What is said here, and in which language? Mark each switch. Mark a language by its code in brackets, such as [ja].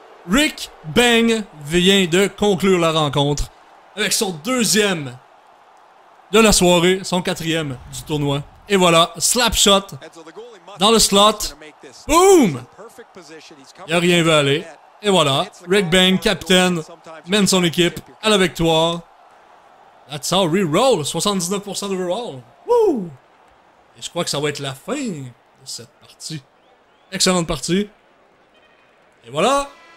[fr] Rick Bang vient de conclure la rencontre avec son deuxième de la soirée, son quatrième du tournoi. Et voilà, slap shot dans le slot. Boom! Il a rien vu aller. Et voilà, Rick Bang, capitaine, mène son équipe à la victoire. [en] That's how we roll, 79% overall. Woo! [fr] Et je crois que ça va être la fin de cette partie. Excellente partie. Et voilà!